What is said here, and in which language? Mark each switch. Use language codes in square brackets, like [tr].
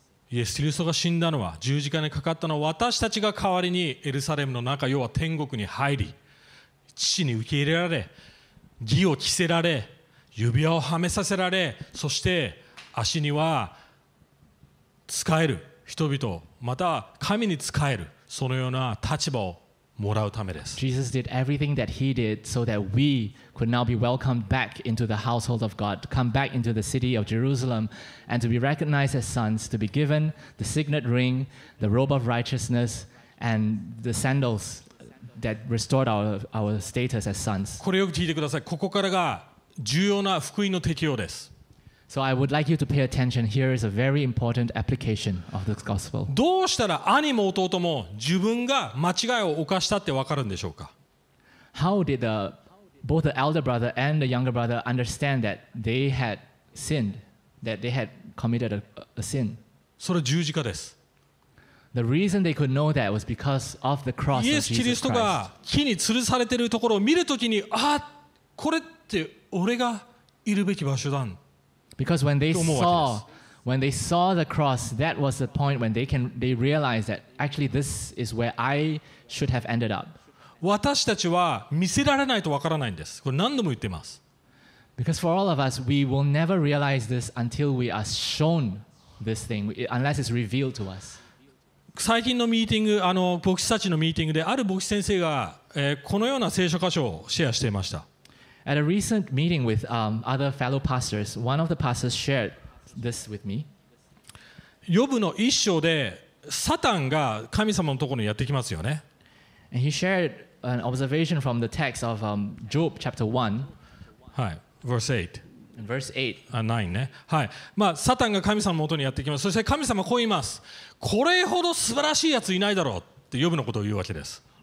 [ja] イエス・キリストが死んだのは、十字架にかかったのは、私たちが代わりにエルサレムの中、要は天国に入り、父に受け入れられ、義を着せられ、指輪をはめさせられ、そして足には仕える人々、また神に仕える、そのような立場をもらうためです。 [en] Jesus did everything that he did so that we could now be welcomed back into the household of God, come back into the city of Jerusalem, and to be recognized as sons, to be given the signet ring, the robe of righteousness, and the sandals that restored our status as sons. [ja] これを聞いてください。ここからが重要な福音の適用です。 [en] So I would like you to pay attention. Here is a very important application of this gospel. [ja] どうしたら兄も弟も自分が間違いを犯したってわかるんでしょうか。 [en] How did both the elder brother and the younger brother understand that they had sinned, that they had committed a sin? [ja] それ十字架です。 [en] The reason they could know that was because of the cross of Jesus Christ. [ja] イエス・キリストが木に吊るされているところを見るときに、あ、これって俺がいるべき場所だん。 [en] Because when they saw the cross, that was the point when they realized that actually this is where I should have ended up. [ja] 私たちは見せられないとわからないんです。これ何度も言ってます。 [en] Because for all of us, we will never realize this until we are shown this thing, unless it's revealed to us. [ja] 最近のミーティング、牧師たちのミーティングである牧師先生が、このような聖書箇所をシェアしていました。 [en] At a recent meeting with other fellow pastors, one of the pastors shared this with me. [ja] ヨブの一章でサタンが神様のところにやってきますよね。 [en] And he shared an observation from the text of Job chapter 1. はい、verse 8. Verse 8. [ja] あ、9ね。はい。まあ、サタンが神様のもとにやってきます。そして神様こう言います。これほど素晴らしいやついないだろうってヨブのことを言うわけです。